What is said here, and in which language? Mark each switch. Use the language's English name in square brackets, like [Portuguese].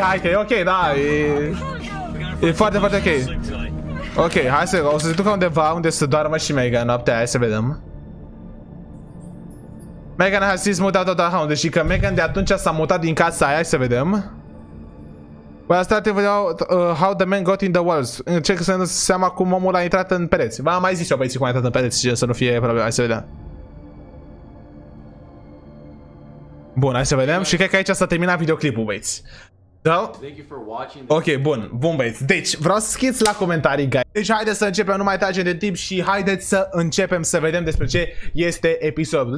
[Romanian] Hai că e ok, da, e foarte, foarte ok. Ok, hai să, o să se ducă undeva unde să doarmă și Megan noaptea, hai să vedem. [English] Megan has since moved out of the house, [Romanian] deși că Megan de atunci s-a mutat din casa aia, hai să vedem. [English] Well, I started with how the man got in the walls. [Romanian] Încerc să-mi dau seama cum omul a intrat în pereți. V-am mai zis eu, băieții, cum a intrat în pereți, să nu fie probleme, hai să vedem. Bun, hai să vedem și cred că aici s-a terminat videoclipul, băieți. Da? Ok, bun băieți. Deci, vreau să scrieți la comentarii, guys. Deci, haideți să începem, nu mai tragem de timp și haideți să începem să vedem despre ce este episodul.